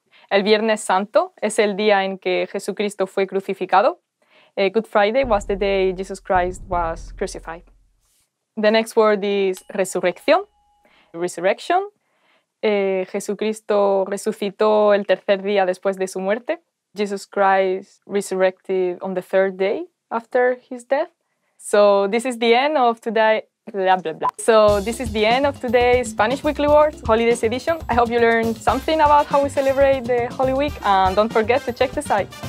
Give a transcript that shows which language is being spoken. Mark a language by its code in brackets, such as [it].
[es] El Viernes Santo es el día en que Jesucristo fue crucificado. [en] Good Friday was the day Jesus Christ was crucified. The next word is resurrección. Resurrection. [es] Jesucristo resucitó el tercer día después de su muerte. [en] Jesus Christ resurrected on the third day after his death. So this is the end of today. Blah, blah, blah. So this is the end of today's Spanish Weekly Words Holidays Edition. I hope you learned something about how we celebrate the Holy Week, and don't forget to check the site.